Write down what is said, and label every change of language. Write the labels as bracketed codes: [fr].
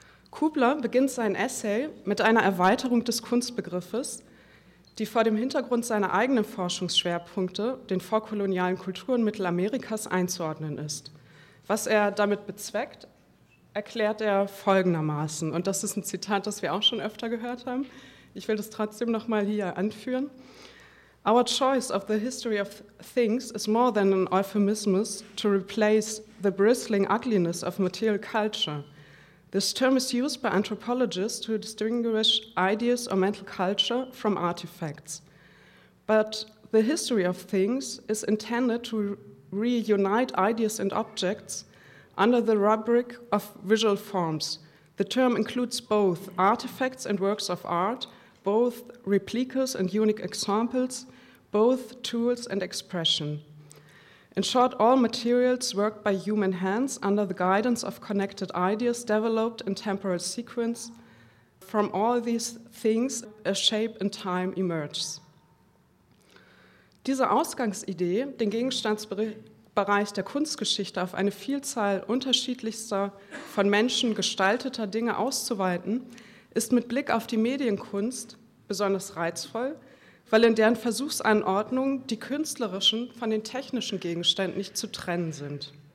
[de] Kubler beginnt sein Essay mit einer Erweiterung des Kunstbegriffes, die vor dem Hintergrund seiner eigenen Forschungsschwerpunkte, den vorkolonialen Kulturen Mittelamerikas, einzuordnen ist. Was er damit bezweckt, erklärt er folgendermaßen, und das ist ein Zitat, das wir auch schon öfter gehört haben, ich will das trotzdem nochmal hier anführen. [en] Our choice of the history of things is more than an euphemism to replace the bristling ugliness of material culture. This term is used by anthropologists to distinguish ideas or mental culture from artifacts. But the history of things is intended to reunite ideas and objects under the rubric of visual forms. The term includes both artifacts and works of art, both replicas and unique examples, both tools and expression. In short, all materials worked by human hands under the guidance of connected ideas developed in temporal sequence. From all these things, a shape in time emerges. [de] Diese Ausgangsidee, den Gegenstandsbereich der Kunstgeschichte auf eine Vielzahl unterschiedlichster, von Menschen gestalteter Dinge auszuweiten, ist mit Blick auf die Medienkunst besonders reizvoll, weil in deren Versuchsanordnung die künstlerischen von den technischen Gegenständen nicht zu trennen sind.